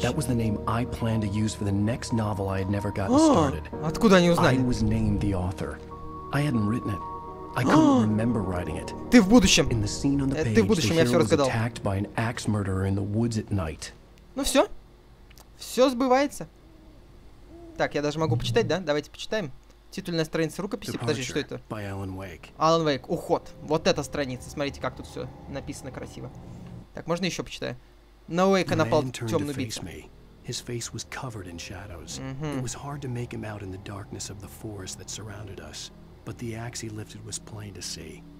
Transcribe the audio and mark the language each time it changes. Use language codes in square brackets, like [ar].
[en] That was the name I planned to use for the next novel I had never gotten started. [ru] Откуда они узнали? [en] I was named the author. I hadn't written it. I couldn't remember writing it. [ru] Ты в будущем. [en] In the scene on the page, [ru] ты в будущем, я все разгадал. [en] Attacked by an axe murderer in the woods at night. [ru] Ну все. Все сбывается. Так, я даже могу почитать, да? Давайте почитаем. Титульная страница рукописи. Подожди, что это? Alan Wake. Alan Wake. Уход. Вот эта страница. Смотрите, как тут все написано красиво. Так, можно еще почитаю? На Уэйка напал темный убийца. [en] His face was covered in shadows. It was hard to make him out in the darkness of the forest that surrounded us. But the axe he lifted was plain to see.